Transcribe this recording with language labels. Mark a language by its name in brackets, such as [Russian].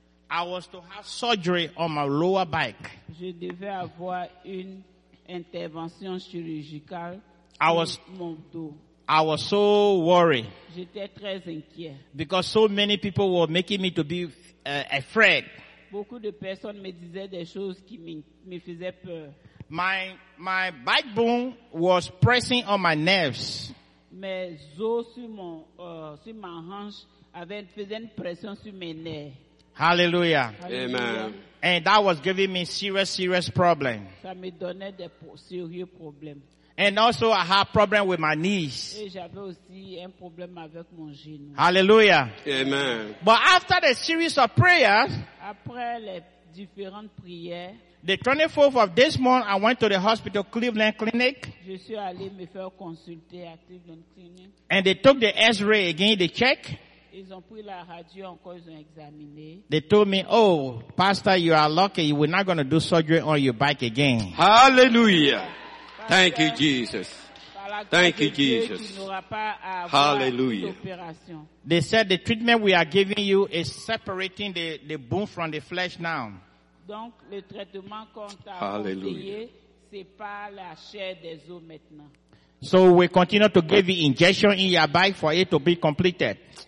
[English] I was to have surgery on my lower back. [French] Je devais avoir une intervention chirurgicale. [English] I was so worried. [French] J'étais très inquiet. [English] Because so many people were making me to be afraid. [French] Beaucoup de personnes me disaient des choses qui me faisaient peur. [English] My backbone was pressing on my nerves. [French] Mes os sur ma hanche faisaient une pression sur mes nerfs. [English] Hallelujah. Amen. And that was giving me serious problem. [French] Ça me donnait des sérieux problèmes. [English] And also I had problem with my knees. [French] Et j'avais aussi un problème avec mon genou. [English] Hallelujah. Amen. But after the series of prayers, [French] après les différentes prières, [English] the 24th of this month, I went to the hospital, Cleveland Clinic. [French] Je suis allé me faire consulter à Cleveland Clinic. [English] And they took the X-ray again, they check. [French] Ils ont pris la radio encore, ils ont examiné. [English] They told me, oh, pastor, you are lucky. You were not going to do surgery on your back again. Hallelujah. Thank you, Jesus. Thank you, Jesus. Hallelujah. They said the treatment we are giving you is separating the bone from the flesh now. [French] Donc, le traitement qu'on t'a appliqué, c'est pas la chair des os maintenant. [English] So we continue to give the injection in your back for it to be completed.